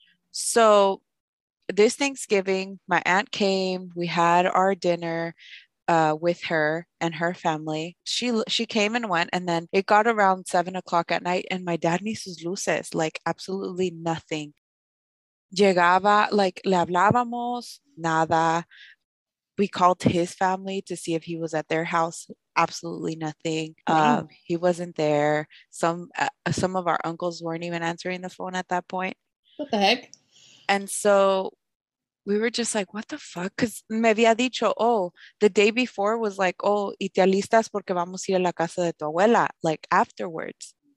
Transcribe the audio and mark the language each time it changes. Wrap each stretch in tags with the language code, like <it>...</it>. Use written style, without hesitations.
<en>So this Thanksgiving, my aunt came, we had our dinner with her and her family. She came and went, and then it got around 7 o'clock at night and my dad</en> <es>ni sus luces,</es> <en>like absolutely nothing.</en> <es>Llegaba, like le hablábamos, nada.</es> <en>We called his family to see if he was at their house. Absolutely nothing. He wasn't there. Some of our uncles weren't even answering the phone at that point. What the heck? And so we were just like, what the fuck?</en> <es>Because me había dicho, oh,</es> <en>the day before was like,</en> <es>oh, y te alistas porque vamos a ir a la casa de tu abuela,</es> <en>like afterwards.</en>